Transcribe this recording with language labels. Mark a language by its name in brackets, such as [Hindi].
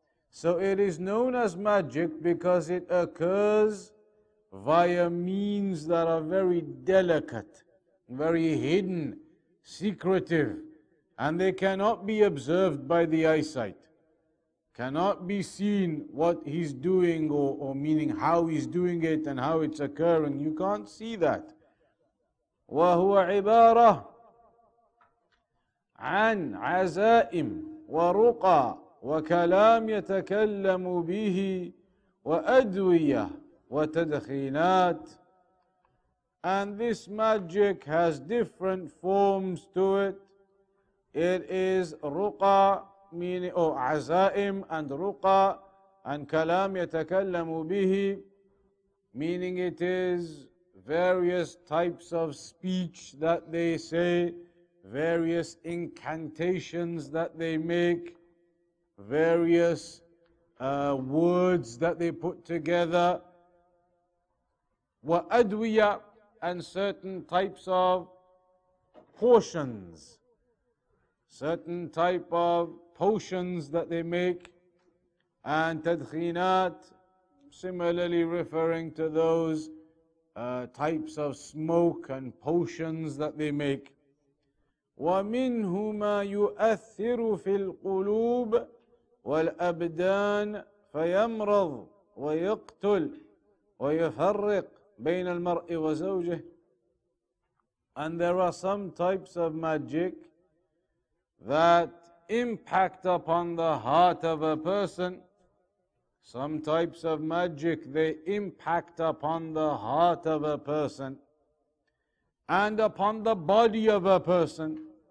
[English] So it is known as magic because it occurs via means that are very delicate, very hidden, secretive, and they cannot be observed by the eyesight, cannot be seen what he's doing or meaning how he's doing it and how it's occurring. You can't see that. [Arabic] وَهُوَ عِبَارَةٌ عَنْ عَزَائِمٍ وَرُقَى وكلام يتكلم به وأدوية وتدخينات. [English] And this magic has different forms to it. It is ruqa, meaning azaim, and ruqa, and [Arabic] kalam yatakallamu bihi, [English] meaning it is various types of speech that they say, various incantations that they make, various words that they put together, wa adwiya, and certain types of portions, certain type of potions that they make, and tadkhinat, similarly referring to those types of smoke and potions that they make. [Arabic] Wa minhuma yu'athiru fil qulub والأبدان فيمرض ويقتل ويفرق بين المرء وزوجه. [English] And there are some types of magic that impact upon the heart of a person. Some types of magic, they impact upon the heart of a person and upon the body of a person.